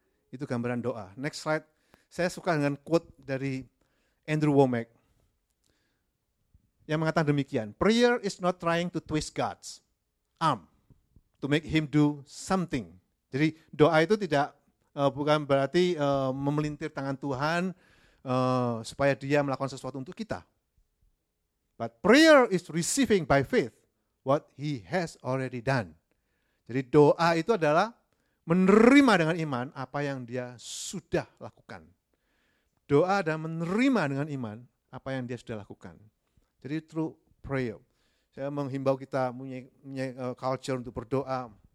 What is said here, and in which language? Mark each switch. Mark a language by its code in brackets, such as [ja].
[id] Itu gambaran doa. [en] Next slide, [id] saya suka dengan quote dari Andrew Womack yang mengatakan demikian, [en] prayer is not trying to twist God's arm to make him do something. [id] Jadi doa itu tidak bukan berarti memelintir tangan Tuhan supaya dia melakukan sesuatu untuk kita. [en] But prayer is receiving by faith what he has already done. [id] Jadi doa itu adalah menerima dengan iman apa yang dia sudah lakukan. Doa dan menerima dengan iman apa yang dia sudah lakukan. Jadi [en] through prayer. [id] Saya menghimbau kita punya culture untuk berdoa.